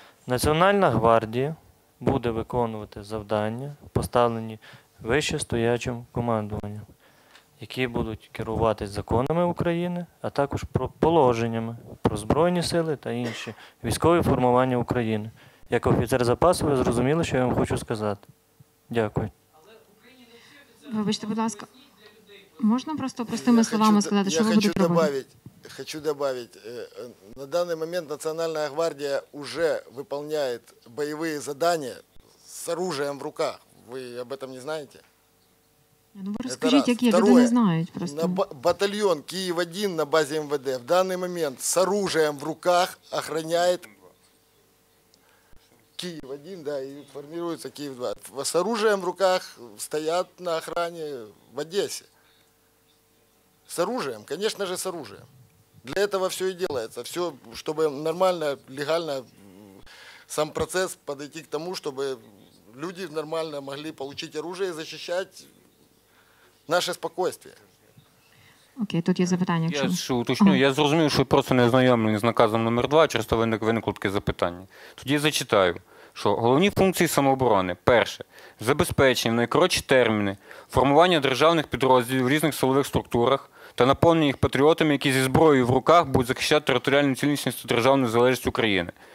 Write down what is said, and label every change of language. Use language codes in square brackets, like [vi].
[uk] Національна гвардія буде виконувати завдання, поставлені вищестоячим командуванням, які будуть керуватися законами України, а також положеннями про Збройні Сили та інші військові формування України. Як офіцер запасу, ви зрозуміли, що я вам хочу сказати. Дякую. Вибачте, будь ласка, можна просто простими словами сказати, що ви будете робити? [ru] Хочу добавить, на данный момент Национальная гвардия уже выполняет боевые задания с оружием в руках. Вы об этом не знаете? Ну, вы расскажите, какие, когда не знают просто. На батальон Киев-1 на базе МВД в данный момент с оружием в руках охраняет Киев-1, да, и формируется Киев-2. С оружием в руках стоят на охране в Одессе. С оружием, конечно же, с оружием. Для этого все и делается. Все, чтобы нормально, легально сам процес подойти к тому, чтобы люди нормально могли получить оружие и защищать наше спокойствие. [uk] Окей, тут є запитання. Якщо... Я уточню, я зрозумів, що просто не ознайомлені з наказом номер 2, через то виникло таке запитання. Тоді я зачитаю, що головні функції самооборони. Перше, забезпечення в найкоротші терміни формування державних підрозділів в різних силових структурах та наповнення їх патріотами, які зі зброєю в руках будуть захищати територіальну цілісність та державну незалежність України.